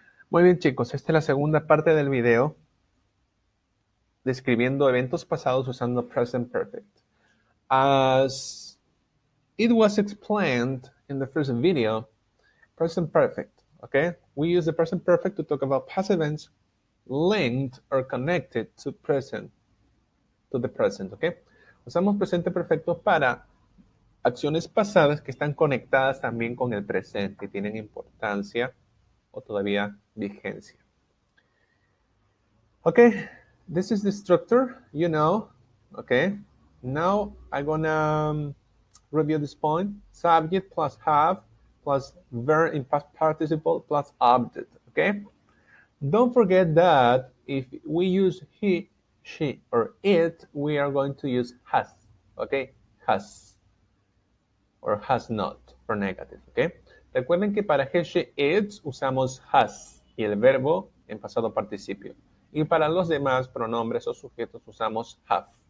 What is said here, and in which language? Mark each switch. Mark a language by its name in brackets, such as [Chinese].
[Spanish] Muy bien chicos, esta es la segunda parte del video describiendo eventos pasados usando present perfect. [English] As it was explained in the first video, present perfect, okay? We use the present perfect to talk about past events linked or connected to present, to the present, okay? [Spanish] Usamos presente perfecto para acciones pasadas que están conectadas también con el presente y tienen importancia o todavía vigencia. [English] Okay, this is the structure, you know. Okay, now I'm gonna review this point. Subject plus have plus verb in past participle plus object. Okay, don't forget that if we use he, she or it, we are going to use has, okay? Has or has not for negative, okay? [Spanish] Recuerden que para he, she, it usamos has y el verbo en pasado participio. Y para los demás pronombres o sujetos usamos have.